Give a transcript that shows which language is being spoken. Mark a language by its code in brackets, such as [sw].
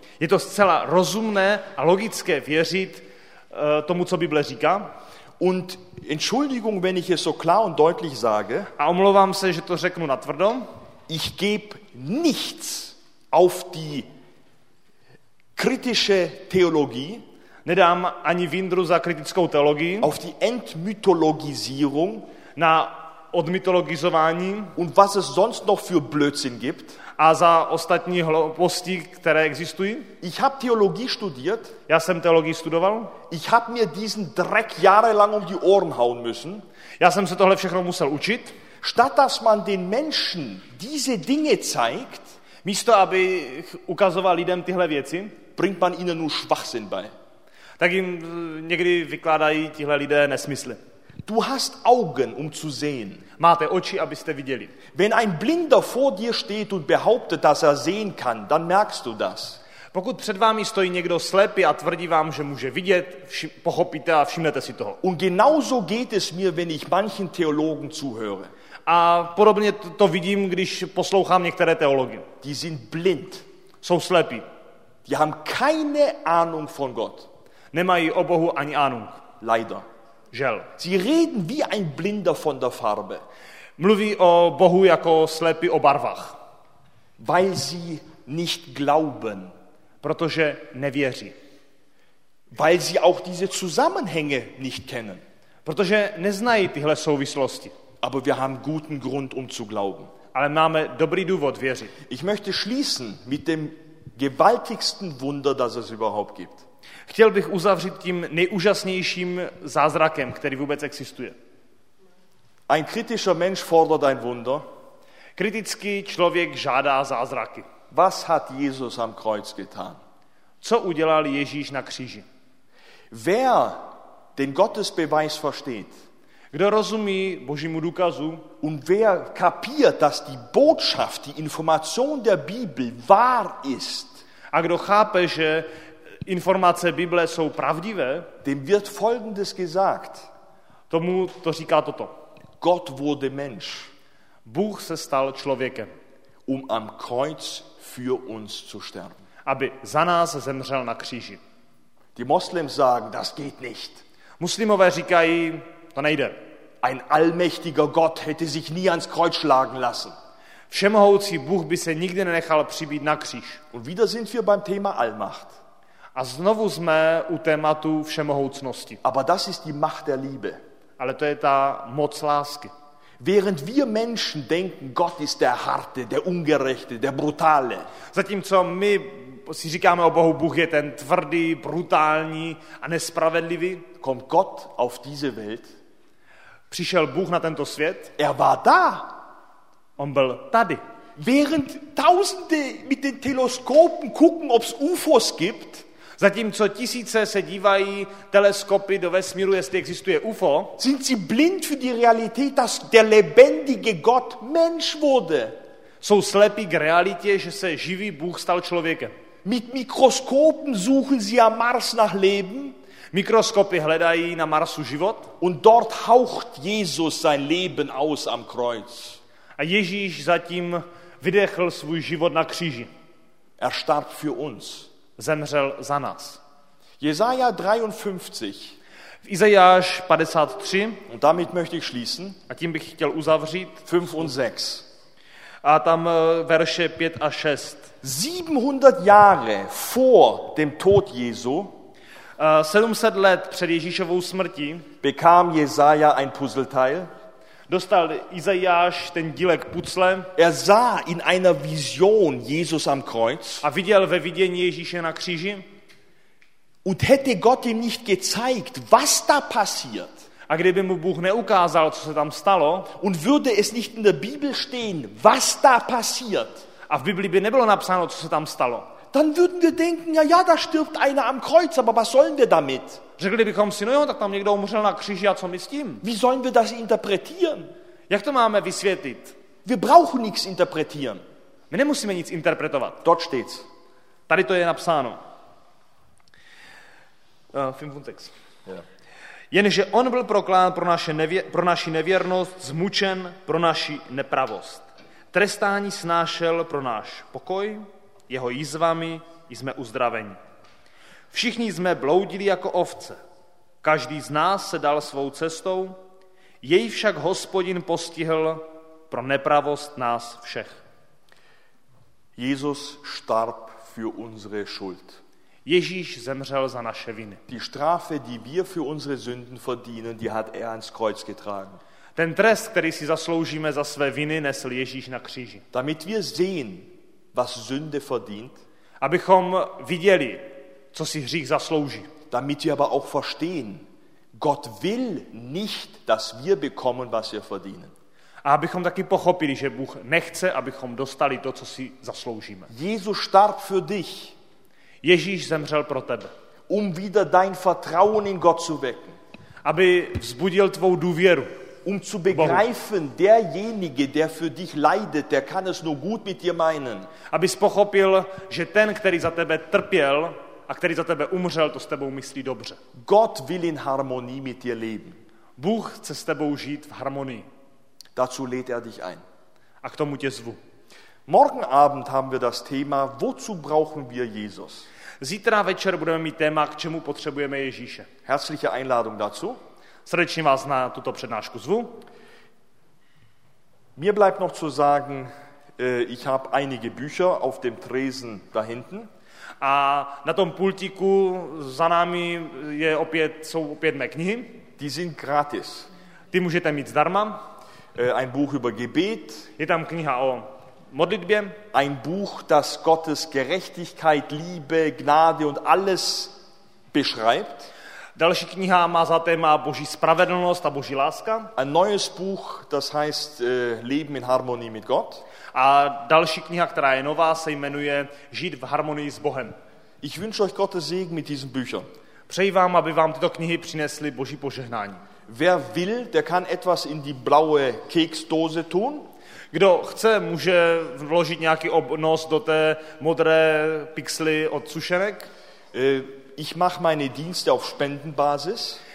[cs] Je to zcela rozumné a logické věřit tomu, co Bible říká. [de] Und Entschuldigung, wenn ich es so klar und deutlich sage. [cs] A omlouvám se, že to řeknu natvrdo. [de] Ich gebe nichts auf die kritische Theologie. [cs] Nedám ani vindru za kritickou teologii. [de] Auf die Entmythologisierung. [cs] Na odmytologizování. [de] Und was es sonst noch für Blödsinn gibt. [cs] A za ostatní hlouposti, které existují? [de] Ich habe Theologie studiert. [cs] Já jsem teologii studoval. [de] Ich habe mir diesen Dreck jahrelang um die Ohren hauen müssen. [cs] Já jsem se tohle všechno musel učit. [de] Statt dass man den Menschen diese Dinge zeigt, [cs] místo abych ukazoval lidem tyhle věci, [de] bringt man ihnen nur Schwachsinn bei. [cs] Tak jim někdy vykládají tihle lidé nesmysly. [de] Du hast Augen, um zu sehen. [cs] Máte oči, abyste viděli. [de] Wenn ein Blinder vor dir steht und behauptet, dass er sehen kann, dann merkst du das. [cs] Pokud před vámi stojí někdo slepý a tvrdí vám, že může vidět, pochopíte a všimnete si toho. [de] Und genauso geht es mir, wenn ich manchen Theologen zuhöre. [cs] A podobně to vidím, když poslouchám některé teology. [de] Die sind blind. [cs] Jsou slepí. [de] Die haben keine Ahnung von Gott. [cs] Nemají o Bohu ani Ahnung. [de] Leider. [cs] Žel. [de] Sie reden wie ein Blinder von der Farbe. [cs] Mluví o Bohu jako slepý o barvách. [de] Weil sie nicht glauben. [cs] Protože nevěří. [de] Weil sie auch diese Zusammenhänge nicht kennen. [cs] Protože neznají tyhle souvislosti. [de] Aber wir haben guten Grund, um zu glauben. [cs] Ale máme dobrý důvod věřit. [de] Ich möchte schließen mit dem gewaltigsten Wunder, das es überhaupt gibt. [cs] Chtěl bych uzavřít tím nejúžasnějším zázrakem, který vůbec existuje. [de] Ein kritischer Mensch fordert ein Wunder. [cs] Kritický člověk žádá zázraky. [de] Was hat Jesus am Kreuz getan? [cs] Co udělal Ježíš na kříži? [de] Wer den Gottesbeweis versteht? [cs] Kdo rozumí Božímu důkazu? [de] Und wer kapiert, dass die Botschaft, die Information der Bibel wahr ist? [cs] A kdo chápe, že informace Bible jsou pravdivé? [de] Dem wird folgendes gesagt. [cs] Tomu to říká toto. [de] Gott wurde Mensch. [cs] Bůh se stal člověkem. [de] Um am Kreuz für uns zu sterben. [cs] Aby za nás zemřel na kříži. [de] Die Moslems sagen, das geht nicht. [cs] Muslimové říkají, to nejde. [de] Ein allmächtiger Gott hätte sich nie ans Kreuz schlagen lassen. [cs] Všemohoucí Bůh by se nikdy nenechal přibít na kříž. [de] Und wieder sind wir beim Thema Allmacht. [cs] A znovu jsme u tématu všemohoucnosti. [de] Aber das ist die Macht der Liebe. [cs] Ale to je ta moc lásky. [de] Während wir Menschen denken, Gott ist der harte, der ungerechte, der brutale. [cs] Zatímco my si říkáme o Bohu, Bůh je ten tvrdý, brutální a nespravedlivý. [de] Kommt Gott auf diese Welt. [cs] Přišel Bůh na tento svět. [de] Er war da. [cs] On byl tady. [de] Während tausende mit den Teleskopen gucken, ob's UFOs gibt. [cs] Zatímco tisíce se dívají teleskopy do vesmíru, jestli existuje UFO. [de] Sind sie blind für die Realität, dass der lebendige Gott Mensch wurde. [cs] Jsou slepí k realitě, že se živý Bůh stal člověkem. [de] Mit Mikroskopen suchen sie am Mars nach Leben. [cs] Mikroskopy hledají na Marsu život. [de] Und dort haucht Jesus sein Leben aus am Kreuz. [cs] A Ježíš zatím vydechl svůj život na kříži. [de] Er starb für uns. [cs] Zemřel za nás. [de] Jesaja 53. [cs] V Izajáš 53. [de] Und damit möchte ich schließen. [cs] A tím bych chtěl uzavřít. [de] 5 und 6. [cs] A tam verše 5 a 6. [de] 700 Jahre vor dem Tod Jesu. [cs] 700 let před Ježíšovou smrtí [de] bekam Jesaja ein Puzzleteil. [cs] Dostal Izajáš ten dílek puzzle. [de] Er sah in einer Vision Jesus am Kreuz. [cs] A viděl ve vidění Ježíše na kříži. [de] Und hätte Gott ihm nicht gezeigt, was da passiert. [cs] A kdyby mu Bůh neukázal, co se tam stalo, [de] und würde es nicht in der Bibel stehen, was da passiert. [cs] A v Biblii by nebylo napsáno, co se tam stalo. [de] Dann würden wir denken, ja, da stirbt einer am Kreuz, aber was sollen wir damit? [cs] Řekli bychom si, no jo, tak tam někdo umřel na kříži, a co my s tím? [de] Wie sollen wir das interpretieren? [cs] Jak to máme vysvětlit? [de] Wir brauchen nichts interpretieren. [cs] My nemusíme nic interpretovat. [de] Dort steht's. [cs] Tady to je napsáno. [de] Fünfundsechs. [cs] Jenže on byl proklán pro naši nevěrnost, zmučen pro naši nepravost. Trestání snášel pro náš pokoj, jeho jizvami jsme uzdraveni. Všichni jsme bloudili jako ovce. Každý z nás se dal svou cestou, jej však Hospodin postihl pro nepravost nás všech. [de] Jesus starb für unsere Schuld. [cs] Ježíš zemřel za naše viny. [de] Die Strafe, die wir für unsere Sünden verdienen, die hat ans Kreuz getragen. [cs] Ten trest, který si zasloužíme za své viny, nesl Ježíš na kříži. [de] Damit wir sehen, was Sünde verdient, [cs] abychom viděli, co si hřích zaslouží. [de] Damit wir aber auch verstehen, Gott will nicht, dass wir bekommen, was wir verdienen. [cs] A abychom taky pochopili, že Bůh nechce, abychom dostali to, co si zasloužíme. [de] Jesus starb für dich. [cs] Ježíš zemřel pro tebe. [de] Um wieder dein Vertrauen in Gott zu wecken. [cs] Aby vzbudil tvou důvěru. [de] Um zu begreifen, derjenige, der für dich leidet, der kann es nur gut mit dir meinen. [cs] Aby jsi pochopil, že ten, který za tebe trpěl a který za tebe umřel, to s tebou myslí dobře. [de] Gott will in Harmonie mit dir leben. [cs] Bůh chce s tebou žít v harmonii. [de] Dazu lädt er dich ein. [cs] A k tomu tě zvu. [de] Morgen Abend haben wir das Thema, wozu brauchen wir Jesus? [cs] Zítra večer budeme mít téma, k čemu potřebujeme Ježíše. [de] Herzliche Einladung dazu. [cs] Srdečně vás na tuto přednášku zvu. [de] Mir bleibt noch zu sagen, ich habe einige Bücher auf dem Tresen da hinten. [cs] A na tom pultíku za námi je opět, jsou opět mé knihy. [de] Die sind gratis. [cs] Ty můžete mít zdarma. [de] Ein Buch über Gebet. [cs] Je tam kniha o modlitbě. [de] Ein Buch, das Gottes Gerechtigkeit, Liebe, Gnade und alles beschreibt. [cs] Další kniha má za téma Boží spravedlnost a Boží láska. [de] Ein neues Buch, das heißt Leben in Harmonie mit Gott. [cs] A další kniha, která je nová, se jmenuje Žít v harmonii s Bohem. [de] Ich wünsche euch Gottes Segen mit diesen Büchern. [cs] Přeji vám, aby vám tyto knihy přinesly Boží požehnání. [de] Wer will, der kann etwas in die blaue Keksdose tun. [cs] Kdo chce, může vložit nějaký obnos do té modré pixely od sušenek. [de] Ich mache meine Dienste auf Spendenbasis.